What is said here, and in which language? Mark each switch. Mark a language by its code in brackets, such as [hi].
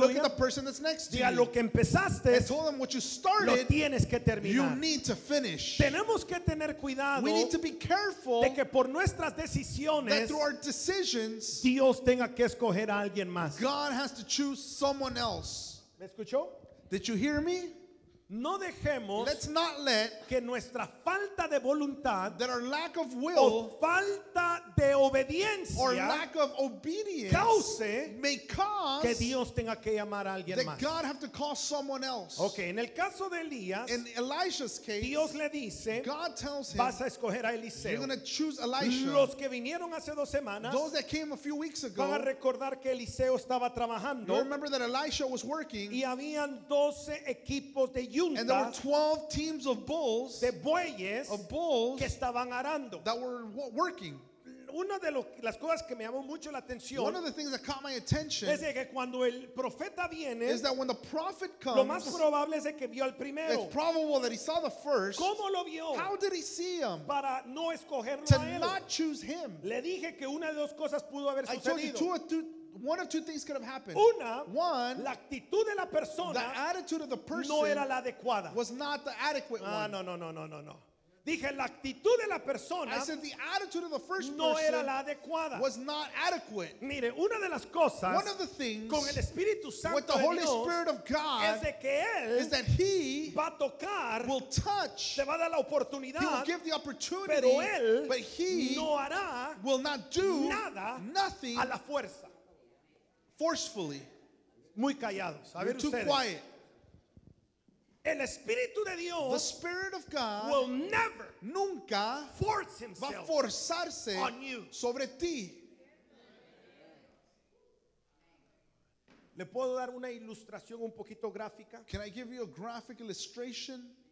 [en] Look at the person that's next to [es] you. Lo que empezaste, [en] I told them what you started, [es] lo tienes que terminar. [en] You need to finish. [es] Tenemos que tener cuidado, [en] we need to be careful [es] de que por nuestras decisiones, [en] that through our decisions, [es] Dios tenga que escoger a alguien más. [en] God has to choose someone else. [es] ¿Me escuchó? [en] Did you hear me? [es] No dejemos, [en] let's not let [es] que nuestra falta de voluntad, [en] that our lack of will, [es] o falta de obediencia, [en] or lack of obedience, cause may cause [es] que Dios tenga que llamar a alguien [en] that [es] más. [en] God have to call someone else. [es] Okay, en el caso de Elías, [en] in Elisha's case, [es] Dios le dice, [en] God tells him, [es] vas a escoger a Eliseo. [en] You're going to choose Elisha. [es] Los que vinieron hace dos semanas, [en] those that came a few weeks ago, [es] van a recordar que Eliseo estaba trabajando. [en] You remember that Elisha was working, [es] y habían 12 equipos de [en] and there were 12 teams of bulls, [es] de bueyes, [en] of bulls [es] que estaban arando, [en] that were working. [es] Una de las cosas que me llamó mucho la atención, [en] one of the things that caught my attention, [es] es de que cuando el profeta viene, [en] is that when the prophet comes, [es] lo más probable es de que vio al primero. [en] It's probable that he saw the first. [es] ¿Cómo lo vio? [en] How did he see him? [es] Para no escogerlo [en] to [es] a él. [en] Not choose him. [es] Le dije que una de dos cosas pudo haber sucedido. [en] One of two things could have happened. [es] Una, [en] one, [es] la actitud de la persona, [en] the attitude of the person, [es] no era la adecuada, [en] was not the adequate one. [es] No. Dije, la actitud de la persona, [en] I said the attitude of the first [es] no [en] person [es] era la adecuada, [en] was not adequate. [es] Mire, una de las cosas, [en] one of the things, [es] con el Espíritu Santo, [en] with the Holy [es] Dios, [en] Spirit of God, [es] es de que él, [en] is that he [es] va a tocar, [en] will touch, [es] te va a dar la oportunidad, [en] he will give the opportunity, [es] pero él, [en] but he [es] no hará, [en] will not do [es] nada, [en] nothing [es] a la fuerza. [en] Forcefully. [es] Muy callados. A ver [en] too [es] ustedes. [en] Quiet. [es] El Espíritu de Dios, [en] the Spirit of God, will never, [es] nunca, [en] force himself, [es] va a forzarse [en] on you, [es] sobre ti. ¿Le puedo dar una ilustración un poquito gráfica? [en] Can I give you a graphic illustration?